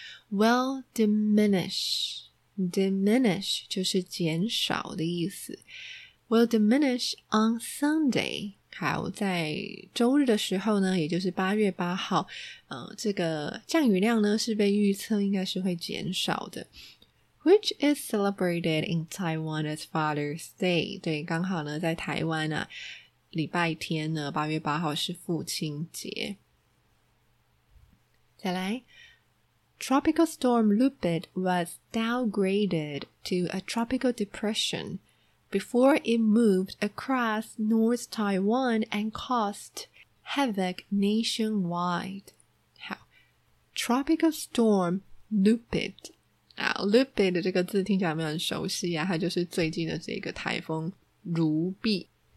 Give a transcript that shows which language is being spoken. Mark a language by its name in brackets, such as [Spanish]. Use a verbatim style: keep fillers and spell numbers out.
[Chinese] Well, diminish, diminish 就是减少的意思。 [English] Will diminish on Sunday. [Chinese] 好，在周日的时候呢，也就是八月八号，呃，这个降雨量呢是被预测应该是会减少的。 [English] Which is celebrated in Taiwan as Father's Day. [Chinese] 对，刚好呢在台湾啊，礼拜天呢八月八号是父亲节。再来。 [English] Tropical storm Lupit was downgraded to a tropical depression. Before it moved across North Taiwan and caused havoc nationwide. 好 Tropical Storm Lupit. [Chinese] 啊 Lupit 这个字听起来没有很熟悉啊，它就是最近的这个台风卢碧。